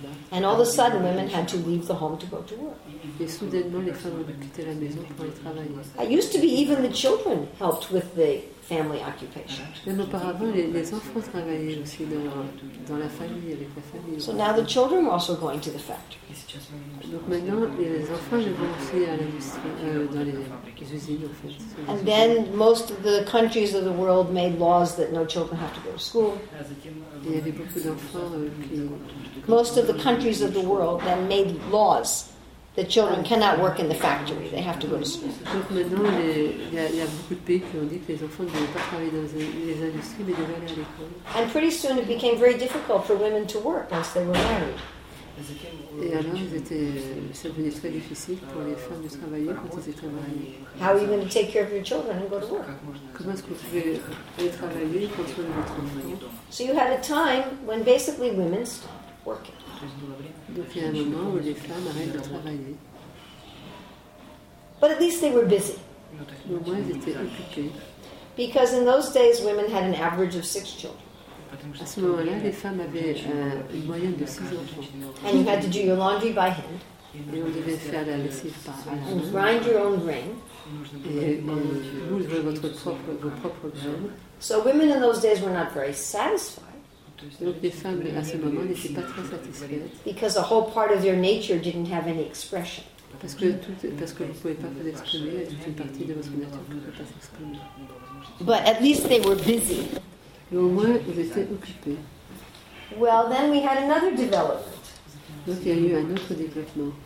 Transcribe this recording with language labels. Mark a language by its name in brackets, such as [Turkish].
[English] And all of a sudden, women had to leave the home to go to work. It used to be even the children helped with the family occupation. [French] Même auparavant, les enfants travaillaient aussi dans la famille, avec la famille. [English] So now the children were also going to the factory. [French] Donc maintenant, les enfants vont aussi à l'industrie, dans les usines, en fait. [English] And then most of the countries of the world made laws that no children have to go to school. [French] Il y avait beaucoup d'enfants qui... [English] Most of the countries of the world then made laws the children cannot work in the factory. They have to go to school. [French] Donc maintenant, il y a beaucoup de pays qui ont dit que les enfants ne devaient pas travailler dans les industries, mais devaient aller à l'école. [English] And pretty soon it became very difficult for women to work once they were married. [French] Et alors, ça devenait très difficile pour les femmes de travailler quand elles étaient mariées. [English] How are you going to take care of your children and go to work? [French] Comment est-ce que vous pouvez aller travailler quand vous êtes votre mari? [English] So you had a time when basically women stopped working. [French] Donc il y a un moment où les femmes arrêtent de travailler. [English] But at least they were busy. [French] Au moins elles étaient occupées. [English] Because in those days women had an average of 6 children. [French] À ce moment-là, les femmes avaient une moyenne de 6 enfants. [English] And you had to do your laundry by hand. [French] Et on devait faire la lessive par [English] hand. And grind your own grain. [French] Et moudre vos propres graines. [English] So women in those days were not very satisfied. [French] Donc les femmes à ce moment n'étaient pas très satisfaites. [English] Because a whole part of their nature didn't have any expression. [French] Parce que vous ne pouvez pas vous exprimer, toute une partie de votre nature ne pouvait pas s'exprimer. [English] But at least they were busy. [French] Mais au moins ils étaient occupés. [English] Well, then we had another development. [French] Donc il y a eu un autre développement.